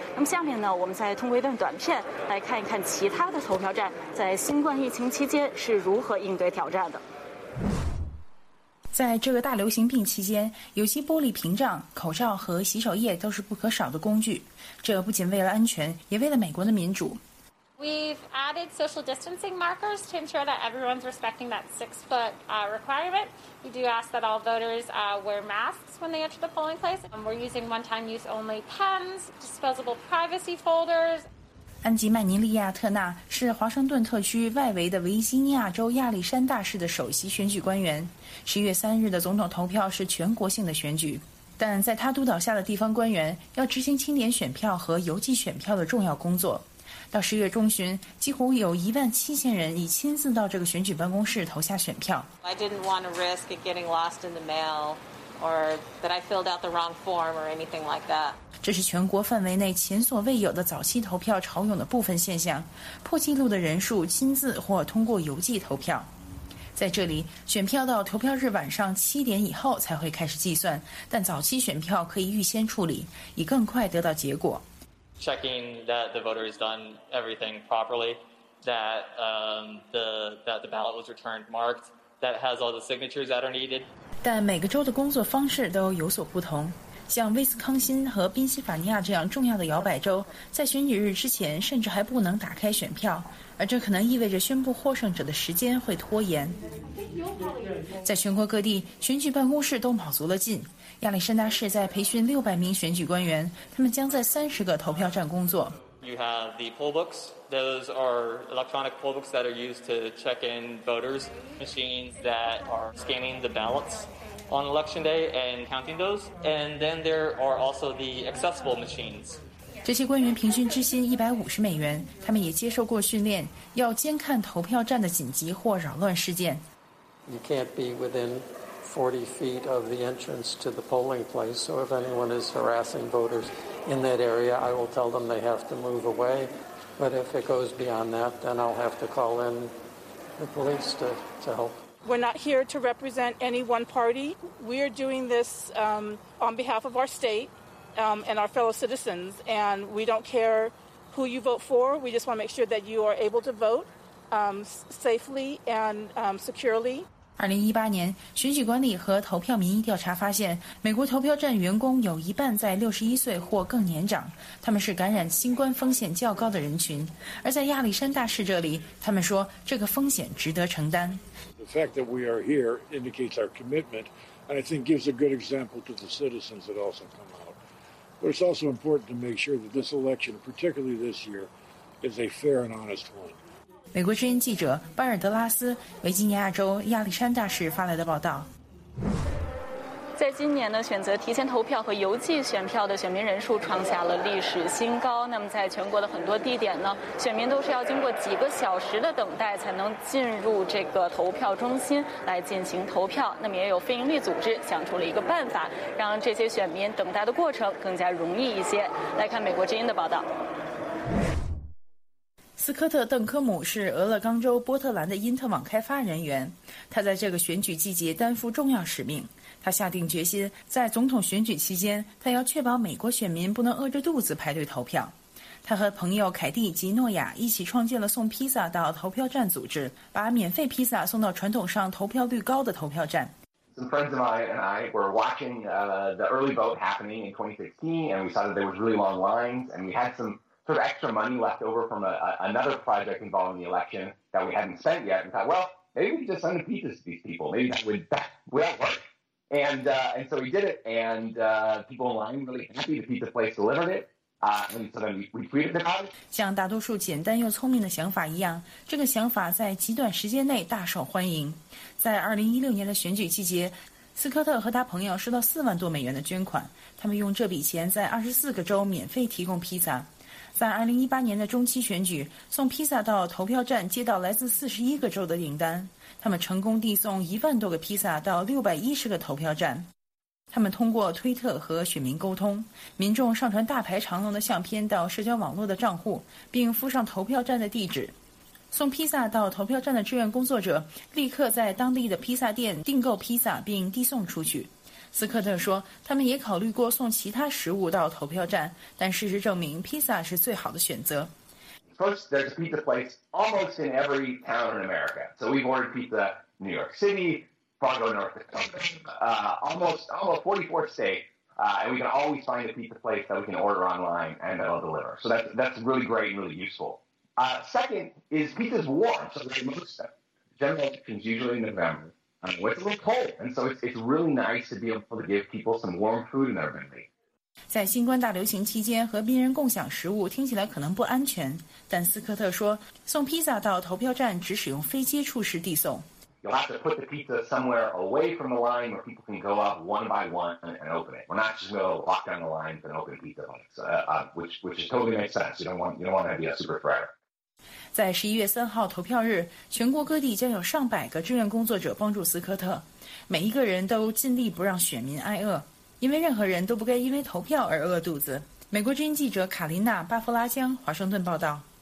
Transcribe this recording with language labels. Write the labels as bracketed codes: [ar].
[zh] 那么下面呢，我们再通过一段短片来看一看其他的投票站在新冠疫情期间是如何应对挑战的。在这个大流行病期间，有些玻璃屏障、口罩和洗手液都是不可少的工具，这不仅为了安全，也为了美国的民主。 [en] We've added social distancing markers to ensure that everyone's respecting that 6-foot requirement. We do ask that all voters wear masks when they enter the polling place. We're using one-time use only pens, disposable privacy folders. [zh] 安吉曼尼利亚特纳是华盛顿特区外围的维吉尼亚州亚历山大市的首席选举官员。 11月3日的总统投票是全国性的选举，但在他督导下的地方官员要执行清点选票和邮寄选票的重要工作。到10月中旬，几乎有17000人已亲自到这个选举办公室投下选票。 [en] I didn't want to risk it getting lost in the mail, or that I filled out the wrong form, or anything like that. [zh] 这是全国范围内前所未有的早期投票潮涌的部分现象，破纪录的人数亲自或通过邮寄投票。在这里，选票到投票日晚上7点以后才会开始计算，但早期选票可以预先处理，以更快得到结果。 [en] Checking that the voter has done everything properly, that the ballot was returned marked, that has all the signatures that are needed. [zh] 但每个州的工作方式都有所不同。像威斯康辛和宾夕法尼亚这样重要的摇摆州，在选举日之前甚至还不能打开选票，而这可能意味着宣布获胜者的时间会拖延。在全国各地，选举办公室都卯足了劲。亚历山大市在培训600名选举官员，他们将在30个投票站工作。 [en] You have the poll books. Those are electronic poll books that are used to check in voters. Machines that are scanning the ballots on election day and counting those. And then there are also the accessible machines. [zh] 这些官员平均支薪$150，他们也接受过训练，要监看投票站的紧急或扰乱事件。 [en] You can't be within 40 feet of the entrance to the polling place, so if anyone is harassing voters in that area, I will tell them they have to move away. But if it goes beyond that, then I'll have to call in the police to help. We're not here to represent any one party. We are doing this on behalf of our state. And our fellow citizens, and we don't care who you vote for. We just want to make sure that you are able to vote safely and securely. [zh] 2018年，选举管理和投票民意调查发现，美国投票站员工有一半在61岁或更年长，他们是感染新冠风险较高的人群。而在亚历山大市这里，他们说这个风险值得承担。 [en] The fact that we are here indicates our commitment, and I think gives a good example to the citizens that also come out. But it's also important to make sure that this election, particularly this year, is a fair and honest one. [zh] 美国之音记者巴尔德拉斯维吉尼亚州亚历山大市发来的报道。在今年呢，选择提前投票和邮寄选票的选民人数创下了历史新高。那么在全国的很多地点呢，选民都是要经过几个小时的等待才能进入这个投票中心来进行投票。那么也有非营利组织想出了一个办法，让这些选民等待的过程更加容易一些。来看美国之音的报道。斯科特·邓科姆是俄勒冈州波特兰的因特网开发人员，他在这个选举季节担负重要使命。他下定决心，在总统选举期间，他要确保美国选民不能饿着肚子排队投票。他和朋友凯蒂及诺亚一起创建了送披萨到投票站组织，把免费披萨送到传统上投票率高的投票站。 [en] Some friends of mine and I were watching the early vote happening in 2016, and we saw that there was really long lines, and we had some sort of extra money left over from another project involving the election that we hadn't spent yet, and thought, well, maybe we could just send a pizza to these people. Maybe that would work. And so we did it, and people in line really happy. The pizza place delivered it. And so then we tweeted about it. [zh] 像大多数简单又聪明的想法一样，这个想法在极短时间内大受欢迎。在2016年的选举季节，斯科特和他朋友收到$40,000多的捐款，他们用这笔钱在24个州免费提供披萨。在2018年的中期选举，送披萨到投票站接到来自41个州的订单，他们成功递送10,000多个披萨到610个投票站。他们通过推特和选民沟通，民众上传大排长龙的相片到社交网络的账户，并附上投票站的地址。送披萨到投票站的志愿工作者立刻在当地的披萨店订购披萨并递送出去。斯科特说，他们也考虑过送其他食物到投票站，但事实证明，披萨是最好的选择。 [en] First, there's a pizza place almost in every town in America. So we've ordered pizza in New York City, Fargo, North Dakota, almost 44 states, and we can always find a pizza place that we can order online and that will deliver. So that's really great and really useful. Second is pizza's warm, so the most general elections usually in November. It's a little cold, and so it's really nice to be able to give people some warm food in their family. [zh] 在新冠大流行期间，和病人共享食物听起来可能不安全，但斯科特说，送披萨到投票站只使用非接触式递送。 [en] You'll have to put the pizza somewhere away from the line where people can go up one by one and open it. We're not just going to walk down the lines and open pizza, which totally makes sense. You don't want to be a super fryer. [zh] 在11月3号投票日，全国各地将有上百个志愿工作者帮助斯科特，每一个人都尽力不让选民挨饿，因为任何人都不该因为投票而饿肚子。美国之音记者卡琳娜·巴弗拉江华盛顿报道。